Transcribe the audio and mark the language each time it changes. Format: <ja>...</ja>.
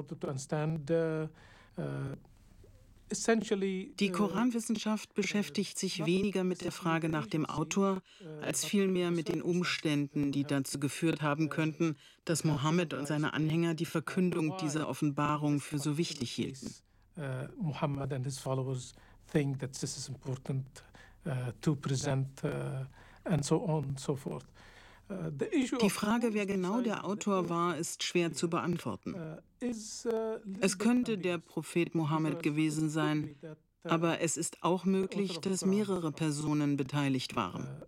<de>Die Koranwissenschaft beschäftigt sich weniger mit der Frage nach dem Autor, als vielmehr mit den Umständen, die dazu geführt haben könnten, dass Mohammed und seine Anhänger die Verkündung dieser Offenbarung für so wichtig hielten.</de> <en>Mohammed and his followers think that this is important to present and so on and so forth.</en> <de>Die Frage, wer genau der Autor war, ist schwer zu beantworten. Es könnte der Prophet Mohammed gewesen sein, aber es ist auch möglich, dass mehrere Personen beteiligt waren.</de>